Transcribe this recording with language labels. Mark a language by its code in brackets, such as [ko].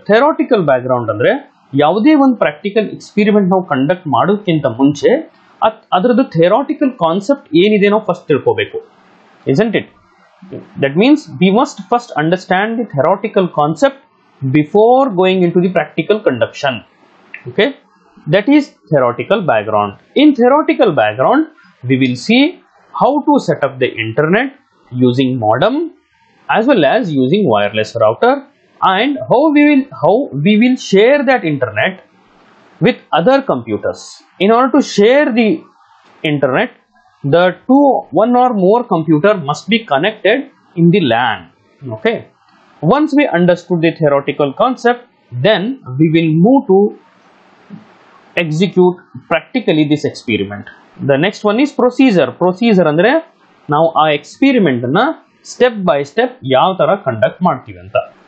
[kn] Theoretical background ಅಂದ್ರೆ ಯಾವುದೇ ಒಂದು ಪ್ರಾಕ್ಟಿಕಲ್ ಎಕ್ಸ್ಪೆರಿಮೆಂಟ್ ನಾವು ಕಂಡಕ್ಟ್ ಮಾಡೋದಕ್ಕಿಂತ ಮುಂಚೆ ಅದರದ್ದು ಥೆರಾಟಿಕಲ್ ಕಾನ್ಸೆಪ್ಟ್ ಏನಿದೆ ನಾವು ಫಸ್ಟ್ ತಿಳ್ಕೋಬೇಕು. [en] Isn't it? That means we must first understand the theoretical concept before going into the practical conduction. Okay, that is theoretical background. In theoretical background we will see how to set up the internet using modem as well as using wireless router and how we will share that internet with other computers. In order to share the internet, the one or more computer must be connected in the LAN. Okay, once we understood the theoretical concept, then we will move to execute practically this experiment. The next one is procedure. [kn] Procedure andre now our experiment na step by step ಯಾವ ತರ conduct ಮಾಡ್ತೀವಿ ಅಂತ.